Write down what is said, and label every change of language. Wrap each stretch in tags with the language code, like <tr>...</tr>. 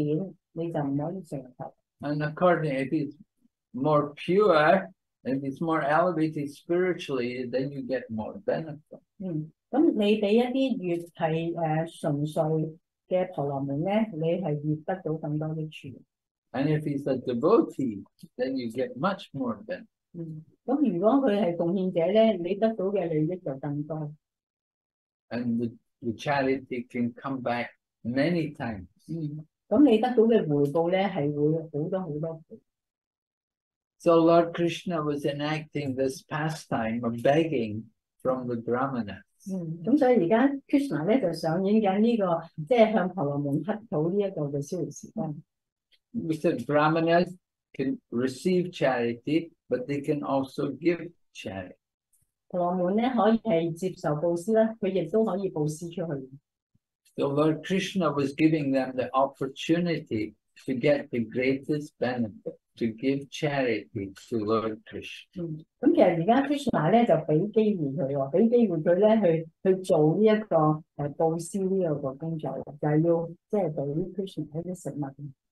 <zh>如果你是不讀經典,你就不可以成佛。</zh> <en>And according to it, more pure and it's more elevated spiritually, then you get more benefit. And if he's a devotee, then you get much more benefit. And the charity can come back many times. So Lord Krishna was enacting this pastime of begging from the Brahmanas. We said Brahmanas, can receive charity, but they can also give charity.</en> <zh>婆罗门呢,可以是接受布施,他亦都可以布施出去。</zh> <en>So Lord Krishna was giving them the opportunity to get the greatest benefit, to give charity to Lord Krishna.</en> <zh>其实现在Krishna就给机会他,给机会他去做这个布施这个工作,就是要给 Krishna一些食物。</zh>